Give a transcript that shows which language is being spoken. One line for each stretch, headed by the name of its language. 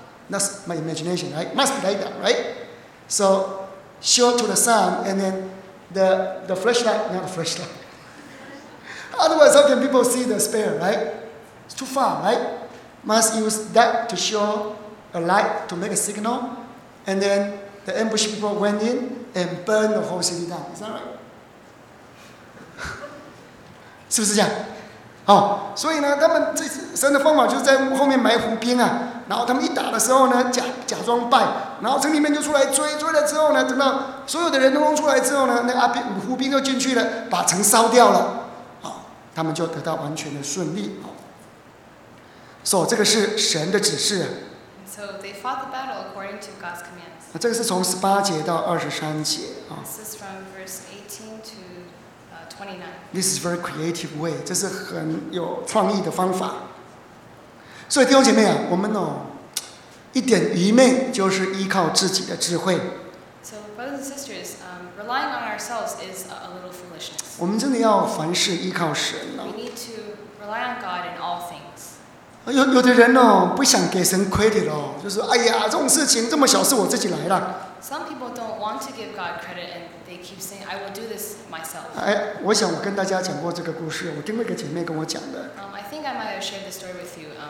English: That's my imagination, right? Must be like that, right? So show to the sun and then the flashlight, not the flashlight. Otherwise, how can people see the spear, right? It's too far, right? Must use that to show a light to make a signal, and then the ambush people went in and burned the whole city down. Is that right?
Chinese: 是不是这样？哦，所以呢，他们这神的方法就是在后面埋伏兵啊。然后他们一打的时候呢，假装败，然后城里面就出来追，追了之后呢，等到所有的人都弄出来之后呢，那伏兵就进去了，把城烧掉了。哦，他们就得到完全的顺利。哦，所以这个是神的指示。
English: So they fought the battle according to God's commands.
Chinese: 这个是从18节到23节。
English: This is from verse 18 to 29. This is very creative way.
Chinese: 这是很有创意的方法。所以弟兄姐妹啊，我们哦，一点愚昧就是依靠自己的智慧。
English: So brothers and sisters, relying on ourselves is a little foolishness.
Chinese: 我们真的要凡事依靠神哦。
English: We need to rely on God in all things.
Chinese: 有的人哦，不想给神 credit 哦，就是哎呀，这种事情这么小事我自己来了。
English: Some people don't want to give God credit, and they keep saying, "I will do this myself."
Chinese: 哎，我想我跟大家讲过这个故事，我另外一个姐妹跟我讲的。
English: I think I might have shared the story with you.